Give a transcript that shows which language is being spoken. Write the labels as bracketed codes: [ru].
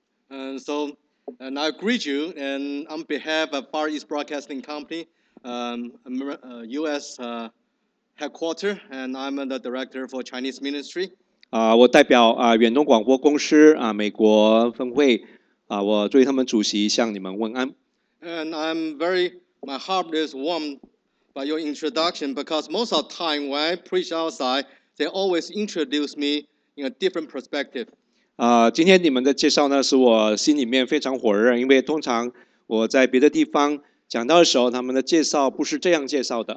[en] And so, and I greet you, and on behalf of Far East Broadcasting Company, U.S. Headquarter, and I'm the Director for Chinese Ministry. [zh] 我代表远东广播公司美国分会，我作为他们主席向你们问安。 [en] And I'm very, my heart is warm by your introduction, because most of the time when I preach outside, they always introduce me in a different perspective. [zh] 今天你们的介绍呢，是我心里面非常火热，因为通常我在别的地方讲到的时候，他们的介绍不是这样介绍的。